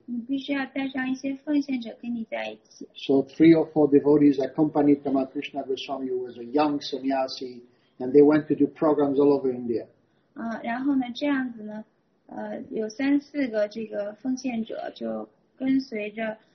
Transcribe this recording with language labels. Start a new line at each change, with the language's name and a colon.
Chinese: 你必须要带上一些奉献者跟你在一起。
English: So three or four devotees accompanied Tamalakrishna Goswami, who was a young sannyasi, and they went to do programs all over India.
Chinese: 然后呢，这样子呢，有三四个这个奉献者就跟随着。